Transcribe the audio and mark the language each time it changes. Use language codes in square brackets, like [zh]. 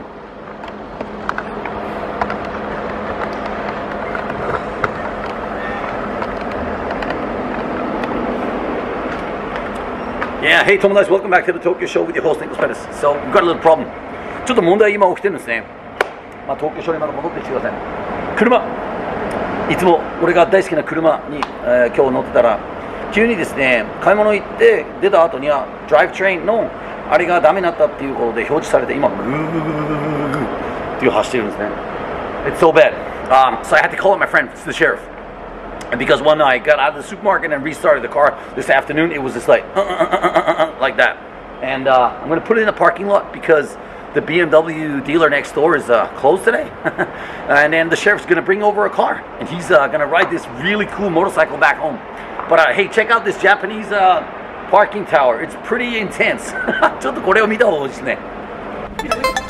[en] Yeah, hey, Tom and guys, welcome back to the Tokyo Show with your host, Nicholas Pettis. So, we've got a little problem. [ja] ちょっと問題は今起きてるんですね。まあ、東京ショーにまだ戻ってきてください。車、いつも俺が大好きな車に、今日乗ってたら、急にですね、買い物行って出た後には、ドライブトレインのあれがダメになったっていうことで表示されて、今、グーっていう走ってるんですね。 [en] It's so bad. So I had to call my friend, the sheriff. Because when I got out of the supermarket and restarted the car this afternoon, it was just like that. And I'm going to put it in the parking lot because... The BMW dealer next door is closed today. And then the sheriff's gonna bring over a car. And he's gonna ride this really cool motorcycle back home. But hey, check out this Japanese parking tower. It's pretty intense. [ja] ちょっとこれを見た方がいいですね。